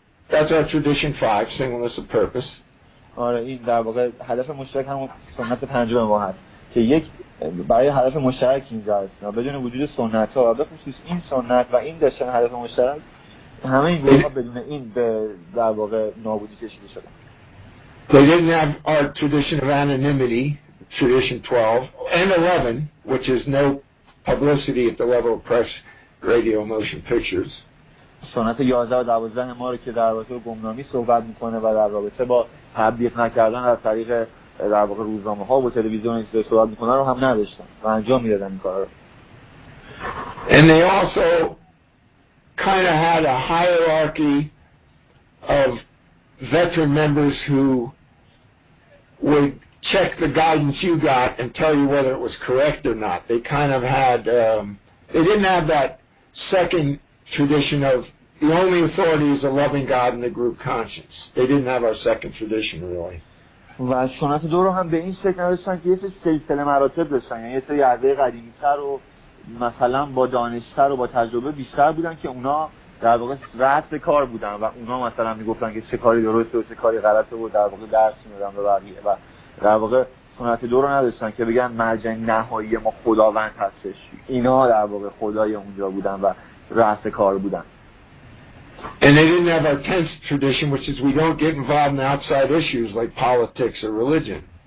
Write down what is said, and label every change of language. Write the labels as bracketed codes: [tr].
[en] That's our tradition 5, singleness of purpose. [fa] آره، این در واقع هدف مشترک همون سنت پنجم ما هست. که یک برای هدف مشترک اینجا هست، بدون وجود سنت ها و به خصوص این سنت و این داشتن هدف مشترک، همه این گروه ها بدون این به در واقع نابودی کشیده شده. [en] They didn't have our tradition of anonymity, tradition 12 and 11, which is no publicity at the level of press, radio, motion pictures. [fa] سنت 11 و 12 ما رو که در رابطه با گمنامی صحبت میکنه و در رابطه با تبلیغ نکردن از طریق در واقع روزنامه ها و تلویزیون این صحبت میکنن رو هم نداشتن و انجام میدادن این کار رو. [en] And they also kind of had a hierarchy of veteran members who would check the guidance you got and tell you whether it was correct or not. They kind of had, they didn't have that second tradition of the only authority is a loving God and the group conscience. They didn't have our second tradition really. [fa] و سنت دو رو هم به این شکل نداشتن که یه سری سلسله مراتب داشتن، یعنی یه سری اعضای قدیمی‌تر و مثلا با دانش‌تر و با تجربه بیشتر بودن که اونا در واقع رأس کار بودن و اونا مثلا میگفتن که چه کاری درسته و چه کاری غلطه و در واقع درس می‌دادن به بقیه. و در واقع سنت دو رو نداشتن که بگن مرجع نهایی ما خداوند هستش، اینا در واقع خدای اونجا بودن و رأس کار بودن. [en] And they didn't have our tenth tradition, which is we don't get involved in outside issues like politics or religion.